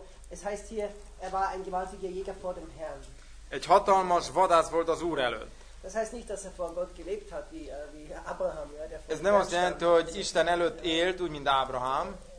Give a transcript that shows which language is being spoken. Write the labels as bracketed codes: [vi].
[de] Es heißt hier, er war ein gewaltiger Jäger vor dem Herrn. [hu] Egy hatalmas vadász volt az Úr előtt. [de] Das heißt nicht, dass er vor Gott gelebt hat, wie Abraham, ja, der vor [hu] Ez nem azt jelenti, hogy Isten előtt élt, úgy mint Abraham.